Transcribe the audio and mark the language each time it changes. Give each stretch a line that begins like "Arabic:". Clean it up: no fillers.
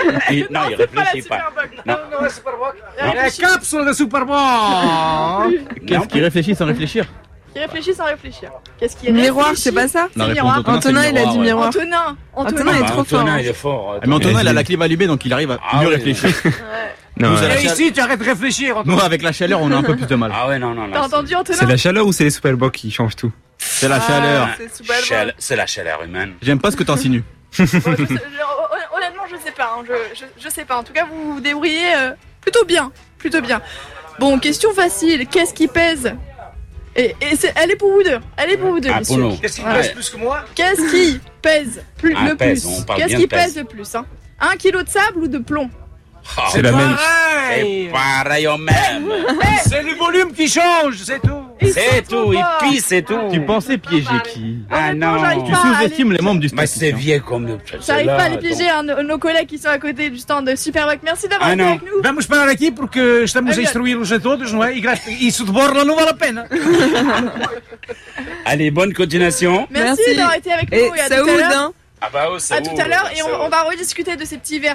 Portuguese: E, não, não, ele é principal. Não, não é Super Bowl. Não. É cápsula de Super Bowl.
French: Qu'est-ce qu'il réfléchit sans réfléchir? Qui réfléchit sans réfléchir. Qu'est-ce qu'il réfléchit? Miroir, c'est pas ça? Non, c'est miroir. Antonin, il a dit miroir. Antonin est trop fort. Antonin, il est fort. Mais Antonin, il a la clim allumée, donc il arrive à mieux réfléchir. Non, ouais. Et ici, tu arrêtes de réfléchir. Nous, avec la chaleur, on a un peu plus de mal. Ah ouais, non, non, non. T'as entendu, Antonin? C'est la chaleur ou c'est les Super Bowl qui changent tout? C'est la chaleur. C'est la chaleur humaine. J'aime pas ce que t'insinues. Honnêtement, je sais pas. Hein. Je sais pas. En tout cas, vous vous débrouillez plutôt bien. Plutôt bien. Bon, question facile. Qu'est-ce qui pèse? Et c'est, elle est pour vous deux. Elle est pour vous deux, monsieur. Qu'est-ce qui pèse plus que moi? Qu'est-ce qui pèse plus, le pèse, plus? Qu'est-ce qui pèse le plus, hein? Un kilo de sable ou de plomb? Oh, c'est la pareil. Même. C'est pareil au même. C'est le volume qui change, c'est tout. C'est tout, il pisse, c'est tout. Tu pensais piéger qui? Ah non, tu sous-estimes les membres du stand. Mais c'est vieux comme nous. J'arrive pas à les piéger, hein, nos collègues qui sont à côté du stand de Superbac. Merci d'avoir été avec nous.
Portuguese: Vamos parar aqui porque estamos a instruí-los a todos, não é? E isso de borla não vale a peine.
French: Allez, bonne continuation. Merci d'avoir été avec nous. Et Saoud, hein? Ah bah, à tout à l'heure, et on va rediscuter de ces petits verres.